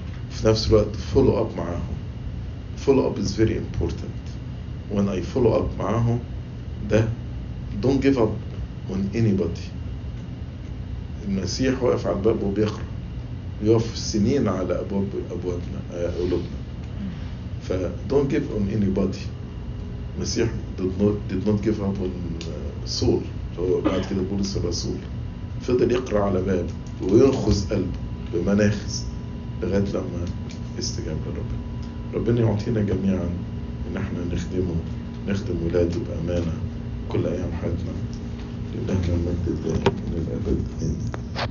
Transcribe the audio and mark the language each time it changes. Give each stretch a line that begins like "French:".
Arabic: في نفس الوقت
English: follow up
Arabic: معهم.
English: Follow up is very important. When I follow up
Arabic: معهم, ده
English: don't give up on anybody.
Arabic: المسيح واقف على الباب وبيقرأ. يقف سنين على أبواب أبوابنا قلوبنا.
English: ف don't give on anybody. المسيح did not give up on Saul.
Arabic: بعد كده بولس الرسول. فضل يقرأ على باب وينخز قلبه بمناخز لغاية لما استجاب لربنا ربنا يعطينا جميعا ان احنا نخدم ولاده بأمانة كل ايام حياتنا لله المجد الدائم الى الابد